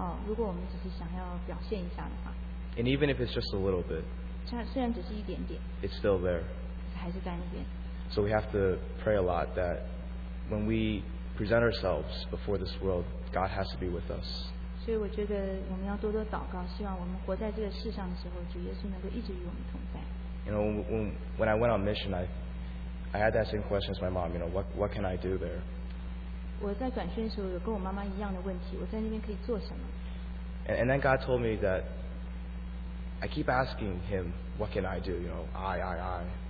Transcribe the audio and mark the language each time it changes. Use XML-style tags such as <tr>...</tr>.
<zh>我们里面多多少少都有点骄傲，如果我们只是想要表现一下的话。</zh> <en>And even if it's just a little bit,</en> <zh>虽然只是一点点,</zh> <en>it's still there.</en> <zh>还是在那边。</zh> <en>So we have to pray a lot that when we present ourselves before this world, God has to be with us.</en> <zh>所以我觉得我们要多多祷告，希望我们活在这个世上的时候，主耶稣能够一直与我们同在。</zh> <en>You know, when I went on mission, I had that same question as my mom. You know, what can I do there?</en> <zh>我在转宣的时候有跟我妈妈一样的问题，我在那边可以做什么？</zh> <en>And then God told me that I keep asking Him, what can I do? You know, I.</en>